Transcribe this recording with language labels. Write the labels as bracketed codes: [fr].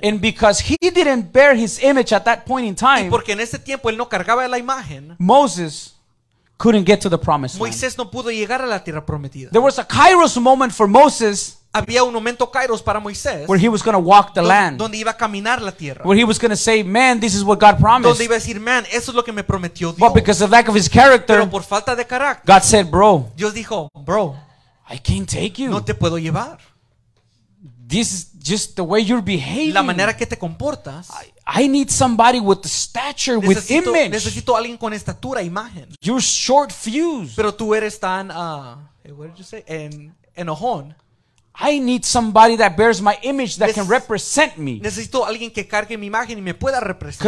[en] And because he didn't bear his image at that point in time. [es] Y porque en ese tiempo él no cargaba la imagen. [en] Moses couldn't get to the promised [es] Moisés No pudo llegar a la tierra prometida. [en] There was a Kairos moment for Moses. [es] Había un momento Kairos para Moisés. [en] Where he was going to walk the land. [es] Donde iba a caminar la tierra. [en] Where he was going to say, man, this is what God promised. [es] Donde iba a decir, man, eso es lo que me prometió Dios. [en] But because of lack of his character. [es] Pero por falta de carácter. [en] God said, bro. [es] Dios dijo, bro. [en] I can't take you. [es] No te puedo llevar. [en] This is just the way you're behaving. [es] La manera que te comportas. [en] I need somebody with the stature, [es] necesito, [en] with image. [es] Necesito alguien con estatura, imagen. [en] You're short fused. [es] Pero tú eres tan, [en] what did you say? [es] Enojón. I need somebody that bears my image that can represent me. Necesito alguien que cargue mi imagen y me pueda representar.